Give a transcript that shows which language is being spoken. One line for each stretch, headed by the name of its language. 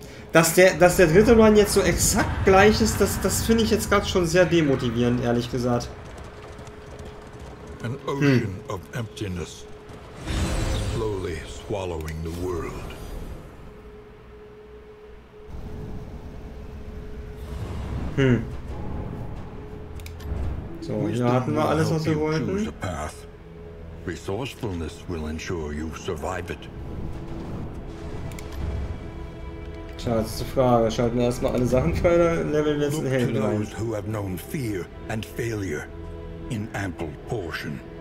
German: Dass der dritte Run jetzt so exakt gleich ist, das finde ich jetzt gerade schon sehr demotivierend, ehrlich gesagt.
English: An ocean of emptiness, slowly swallowing the world.
German: So, hier hatten wir alles, was wir wollten.
English: Resourcefulness will ensure you survive it.
German: Tja, jetzt ist die Frage. Schalten wir erstmal alle Sachen frei, oder leveln wir jetzt einen Helden rein?
English: Look to those who have known fear and failure in ample portion.